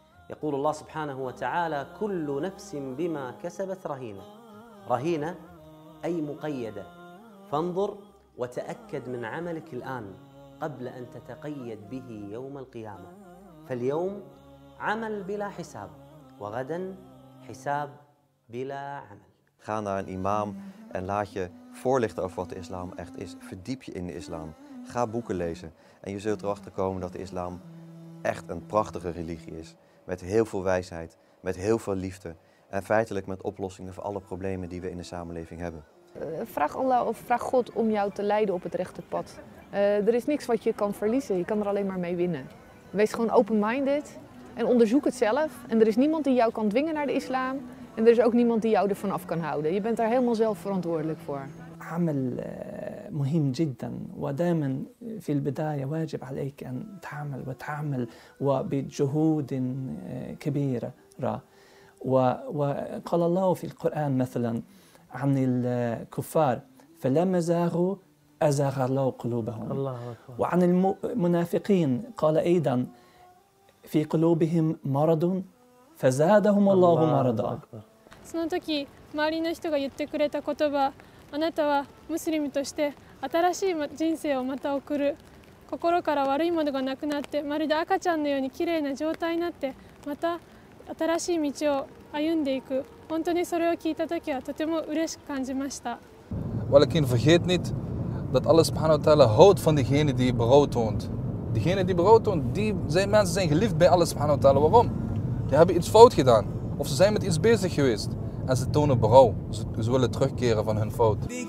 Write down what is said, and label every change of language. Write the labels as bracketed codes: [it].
[ar] يقول الله سبحانه وتعالى: كل نفس بما كسبت رهينة. رهينة أي مقيدة. فانظر وتأكد من عملك الآن قبل أن تتقيد به يوم القيامة. فاليوم عمل بلا حساب، وغدا حساب بلا عمل. [nl] Ga naar een imam en laat je voorlichten over wat de islam echt is. Verdiep je in de islam. Ga boeken lezen. En je zult erachter komen dat de islam echt een prachtige religie is. Met heel veel wijsheid, met heel veel liefde. En feitelijk met oplossingen voor alle problemen die we in de samenleving hebben. Vraag Allah of vraag God om jou te leiden op het rechte pad. Er is niks wat je kan verliezen. Je kan er alleen maar mee winnen. Wees gewoon open-minded en onderzoek het zelf. En er is niemand die jou kan dwingen naar de islam. En er is ook niemand die jou ervan af kan houden. Je bent daar helemaal zelf verantwoordelijk voor. [ar] عمل مهم جدا ودائما في البداية واجب عليك أن تعمل وتعمل وبجهود كبيرة. وقال الله في القرآن مثلا عن الكفار: فلما زاغوا أزاغ الله قلوبهم. وعن المنافقين قال أيضا: في قلوبهم مرض فزادهم الله مرضا. [ja] その時周りの人が言ってくれた言葉、あなたはムスリムとして新しい人生をまた送る、心から悪いものがなくなってまるで赤ちゃんのように綺麗な状態になってまた新しい道を歩んでいく、本当にそれを聞いた時はとても嬉しく感じました。 [nl] Walakin vergeet niet dat Allah subhanahu wa ta'ala houdt van diegene die berouw toont. Diegene die berouw toont, die mensen zijn geliefd bij Allah subhanahu wa ta'ala. Waarom? Die hebben iets fout gedaan. Of ze zijn met iets bezig geweest en ze tonen berouw. Ze willen terugkeren van hun fout.